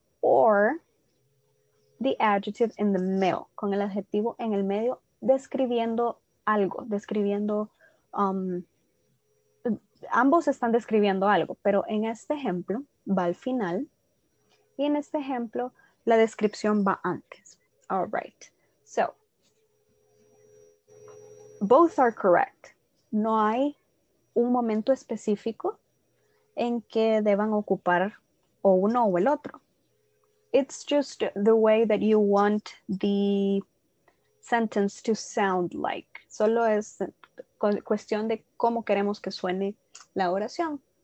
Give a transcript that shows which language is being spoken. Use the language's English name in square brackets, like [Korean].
[English] or the adjective in the middle, [Spanish] con el adjetivo en el medio, describiendo algo, describiendo, ambos están describiendo algo, pero en este ejemplo va al final, y en este ejemplo la descripción va antes. [English] All right, so, both are correct. [Spanish] No hay un momento específico en que deban ocupar o uno o el otro. [English] It's just the way that you want the sentence to sound like. [Spanish] Solo es cuestión de cómo queremos que suene la oración.